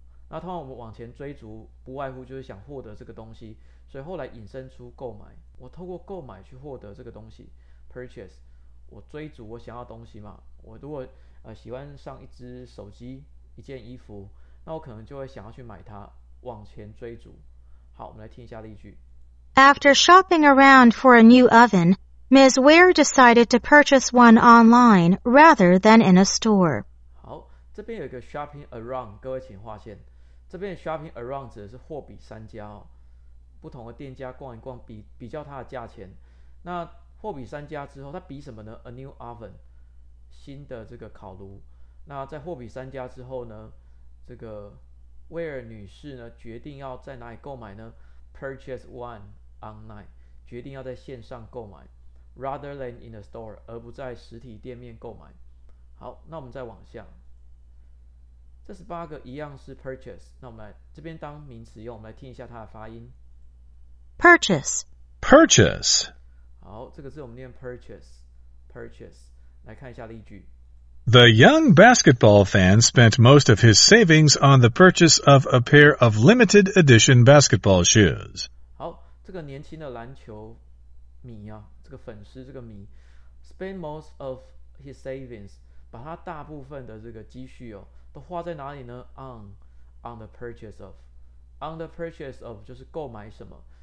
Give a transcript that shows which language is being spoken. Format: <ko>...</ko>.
<zh>那通常我们往前追逐，不外乎就是想获得这个东西，所以后来引申出购买，我透过购买去获得这个东西 ，purchase。我追逐我想要的东西嘛，我如果喜欢上一只手机一件衣服，那我可能就会想要去买它，往前追逐。好，我们来听一下例句。</zh> <en>After shopping around for a new oven, Ms. Ware decided to purchase one online rather than in a store.</en> <zh>好，这边有一个 shopping around， 各位请划线。这边 shopping around 指的是货比三家哦，不同的店家逛一逛，比较它的价钱。那货比三家之后，它比什么呢 ？</zh> <en>A new oven，</en> <zh>新的这个烤炉。那在货比三家之后呢，这个威尔女士呢决定要在哪里购买呢 ？</zh> <en>Purchase one online，</en> <zh>决定要在线上购买 ，</zh> <en>rather than in the store，</en> <zh>而不在实体店面购买。好，那我们再往下，这十八个一样是 purchase， 那我们来这边当名词用，我们来听一下它的发音</zh> <en>，purchase，purchase。</en> <zh>好，这个字我们念 purchase，purchase。来看一下例句。</zh> <en>The young basketball fan spent most of his savings on the purchase of a pair of limited edition basketball shoes.</en> <zh>好，这个年轻的篮球迷啊，这个粉丝，这个迷 ，</zh> <en>spend most of his savings，</en> <zh>把他大部分的这个积蓄哦，都花在哪里呢 ？</zh> <en>On the purchase of，</en> <zh>on the purchase of 就是购买什么？</zh>